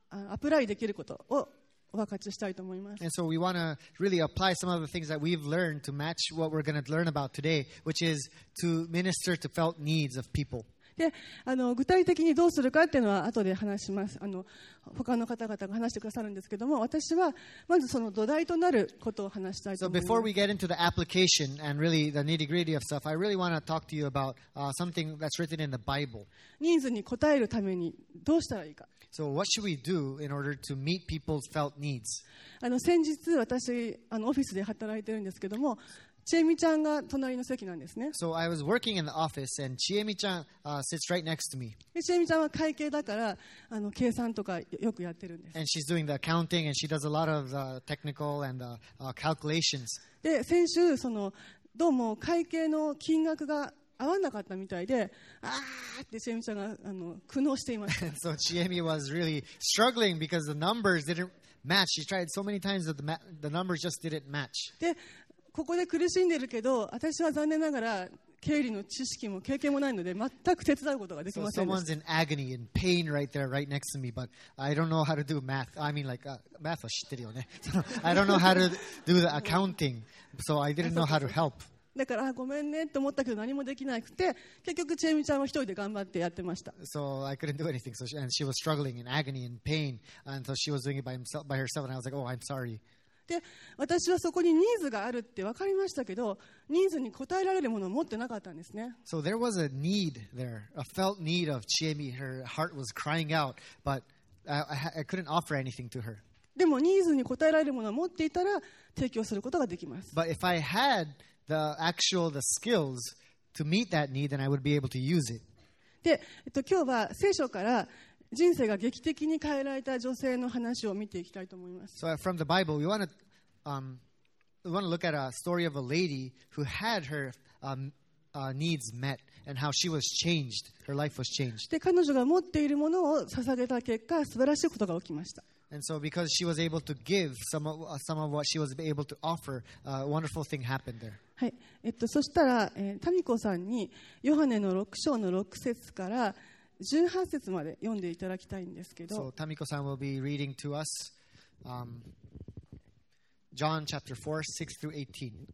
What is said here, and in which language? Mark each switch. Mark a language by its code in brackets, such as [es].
[ja] アプライできることをお分かちしたいと思います。 [en] And so we want to really apply some of the things that we've learned to match what we're going to learn about today, which is to minister to felt needs of people. [ja] で具体的にどうするかっていうのは後で話します。他の方々が話してくださるんですけども、私はまずその土台となることを話したいと思います。 [en] So before we get into the application and really the nitty gritty of stuff, I really want to talk to you about something that's written in the Bible. [ja] ニーズに応えるためにどうしたらいいか。 [en] So what should we do in order to meet people's felt needs? [ja] 先日私オフィスで働いてるんですけども、ちえみちゃんが隣の席なんですね。 [en] So I was working in the office and ちえみちゃん sits right next to me. [ja] ちえみちゃんは会計だから計算とかよくやってるんです。 [en] And she's doing the accounting and she does a lot of the technical and the calculations. [ja] で、先週どうも会計の金額が合わなかったみたいで、あーってちえみちゃんが苦悩していました。 [en] So ちえみ was really struggling because the numbers didn't match. She tried so many times that the numbers just didn't match. [ja] で、ここで苦しんでるけど、私は残念ながら経理の知識も経験もないので全く手伝うことができませんでした。 [en] So someone's in agony and pain right there, right next to me, but I don't know how to do math. I mean, like, math [ja] は知ってるよね。 [en] So, I don't know how to do the accounting, so I didn't know how to help. [ja] だからごめんねと思ったけど何もできなくて、結局チェミちゃんは一人で頑張ってやってました。 [en] So I couldn't do anything, so she was struggling in agony and pain, and so she was doing it by herself, and I was like, oh, I'm sorry. [ja] で、私はそこにニーズがあるって分かりましたけど、ニーズに応えられるものを持ってなかったんですね。 [en] So there was a need there, a felt need of Chiemi. Her heart was crying out, but I couldn't offer anything to her. [ja] でもニーズに応えられるものを持っていたら提供することができます。 [en] But if I had the skills to meet that need, then I would be able to use it. [ja] で、今日は聖書から人生が劇的に変えられた女性の話を見ていきたいと思います。 [en] So from the Bible, we want to look at a story of a lady who had her needs met and how she was changed. Her life was changed. [ja] で、彼女が持っているものを捧げた結果、素晴らしいことが起きました。 [en] And so because she was able to give some of what she was able to offer, a wonderful thing happened there. [ja] はい。そしたら、タミコさんにヨハネの6章の6節から18節まで読んでいただきたいんですけど。 [en] So, Tamiko さん will be reading to us John chapter 4, 6 through 18.